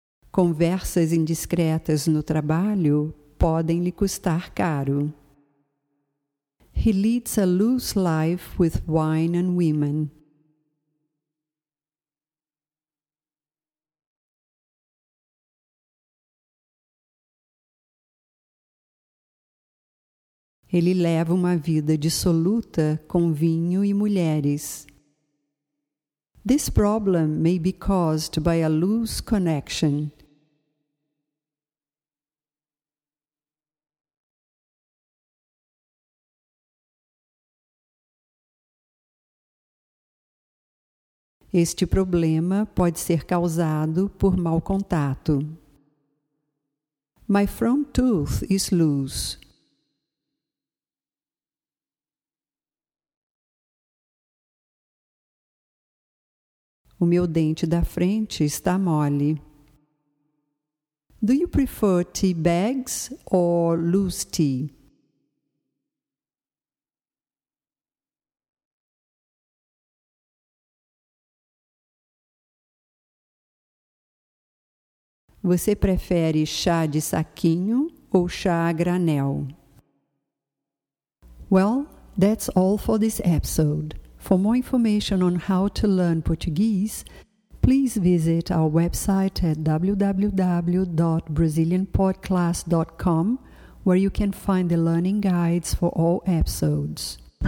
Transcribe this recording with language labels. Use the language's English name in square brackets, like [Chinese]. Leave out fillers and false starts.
[Portuguese] Conversas indiscretas no trabalho podem lhe custar caro. [English] He leads a loose life with wine and women. [Portuguese] Ele leva uma vida dissoluta com vinho e mulheres. [English] This problem may be caused by a loose connection. [Portuguese] Este problema pode ser causado por mau contato. [English] My front tooth is loose. [Portuguese] O meu dente da frente está mole. [English] Do you prefer tea bags or loose tea? [Portuguese] Você prefere chá de saquinho ou chá a granel? [English] Well, that's all for this episode. For more information on how to learn Portuguese, please visit our website at www.brazilianpodclass.com, where you can find the learning guides for all episodes.